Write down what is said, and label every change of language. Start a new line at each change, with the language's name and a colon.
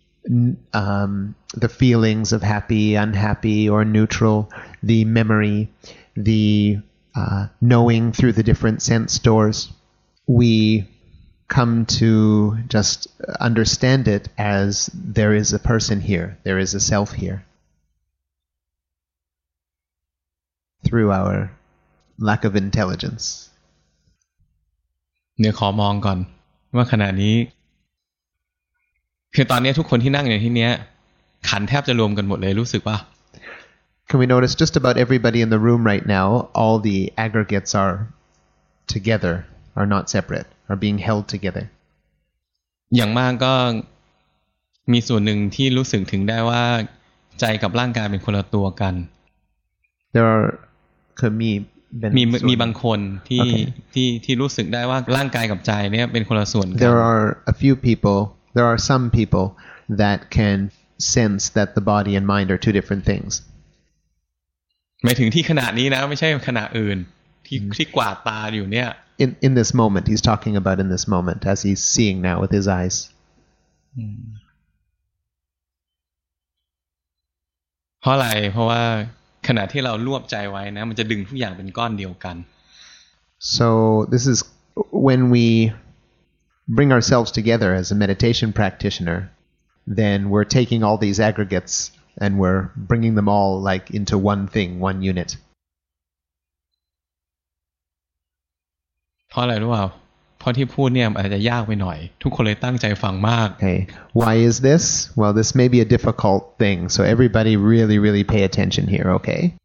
English: the feelings of happy, unhappy, or neutral, the memory, the knowing through the different sense doors, we come to just understand it as there is a person here, there is a self here. Through our lack of intelligence.
Thai: เดี๋ยวขอมองก่อนว่าขณะนี้คือตอนนี้ทุกคนที่นั่งอยู่ที่นี้ขันแทบจะรวมกันหมดเลยรู้สึกป่ะ
English: Can we notice just about everybody in the room right now, all the aggregates are together, are not separate, are being held together.
Thai: อย่างมากก็มีส่วนหนึ่งที่รู้สึกถึงได้ว่าใจกับร่างกายเป็นคนละตัวกัน
English: There are could me
Thai: มีบางคนที่ okay. ที่รู้สึกได้ว่าร่างกายกับใจเนี่ยเป็นคนละส่วนกัน
English: There are a few people there are some people that can sense that the body and mind are two different things
Thai: หมายถึงที่ขณะนี้นะไม่ใช่ขณะอื่นที่กวาดตาอยู่เนี่ย
English: in this moment he's talking about in this moment as he's seeing now with his eyes
Thai: เพราะอะไรเพราะว่าขณะที่เรารวบใจไว้นะมันจะดึงทุกอย่างเป็นก้อนเดียวกัน
English: So this is when we bring ourselves together as a meditation practitioner then we're taking all these aggregates and we're bringing them all like into one thing one unit
Thai: เพราะอะไรรู้เปล่าเพราะที่พูดเนี่ยอาจจะยากไปหน่อยทุกคนเลยตั้งใจฟังมาก
English: Hey why is this well this may be a difficult thing so everybody really really pay attention here okay